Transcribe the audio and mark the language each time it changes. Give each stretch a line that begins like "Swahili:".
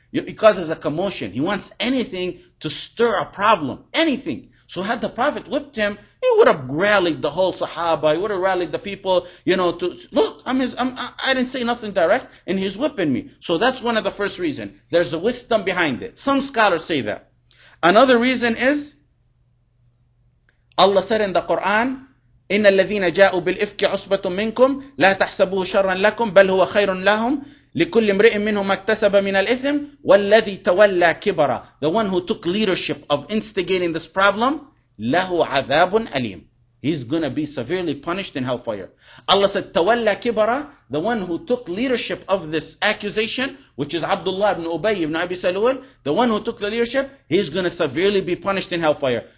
English: He causes a commotion. He wants anything to stir a problem. Anything. So had the Prophet whipped him, he would have rallied the whole Sahaba. He would have rallied the people, you know, to look, I didn't say nothing direct, and he's whipping me. So that's one of the first reasons. There's a wisdom behind it. Some scholars say that. Another reason is, Allah said in the Quran,
Arabic: إِنَّ الَّذِينَ جَاءُوا بِالْإِفْكِ عُصْبَةٌ مِّنْكُمْ لَا تَحْسَبُهُ شَرًّا لَكُمْ بَلْ هُوَ خَيْرٌ لَهُمْ لِكُلِّ امْرِئٍ مِّنْهُمْ اكْتَسَبَ مِنَ الْإِثْمِ وَالَّذِي تَوَلَّى كِبَرًا.
English: The one who took leadership of instigating this problem,
Arabic: لَهُ عَذَابٌ أَلِيمٌ.
English: He's going to be severely punished in hellfire. Allah said,
Arabic: تَوَلَّى كِبَرًا,
English: the one who took leadership of this accusation, which is Abdullah ibn Ubay ibn Abi Salul, the one who took the leadership, he's going to severely be punished in hellfire.